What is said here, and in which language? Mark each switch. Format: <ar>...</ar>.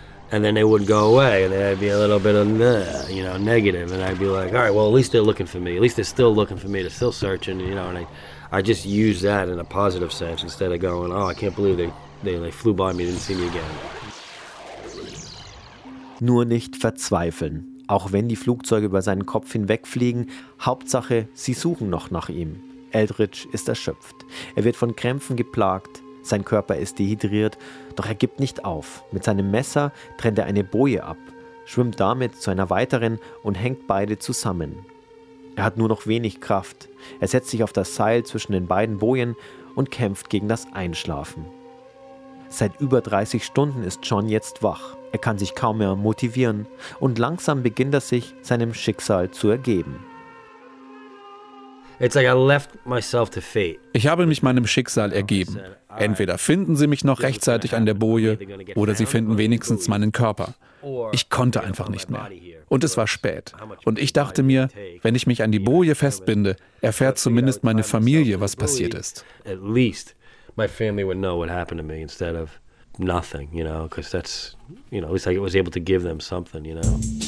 <en>and then they wouldn't go away, and there'd be a little bit of, you know, negative, and I'd be like, all right, well, at least they're looking for me. At least they're still looking for me. They're still searching, you know, and I just use that in a positive sense instead of going, oh, I can't believe they flew by me and didn't see me again.</en> <de>Nur nicht verzweifeln. Auch wenn die Flugzeuge über seinen Kopf hinwegfliegen, Hauptsache, sie suchen noch nach ihm. Eldridge ist erschöpft. Er wird von Krämpfen geplagt. Sein Körper ist dehydriert, doch er gibt nicht auf. Mit seinem Messer trennt er eine Boje ab, schwimmt damit zu einer weiteren und hängt beide zusammen. Er hat nur noch wenig Kraft. Er setzt sich auf das Seil zwischen den beiden Bojen und kämpft gegen das Einschlafen. Seit über 30 Stunden ist John jetzt wach. Er kann sich kaum mehr motivieren und langsam beginnt er sich seinem Schicksal zu ergeben.</de> <en>It's like I left myself to fate.</en> <de>Ich habe mich meinem Schicksal ergeben. Entweder finden sie mich noch rechtzeitig an der Boje oder sie finden wenigstens meinen Körper. Ich konnte einfach nicht mehr. Und es war spät. Und ich dachte mir, wenn ich mich an die Boje festbinde, erfährt zumindest meine Familie, was passiert ist.</de> <en>At least my family would know what happened to me instead of nothing, you know, because that's, you know, at least I was able to give them something, you know.</en>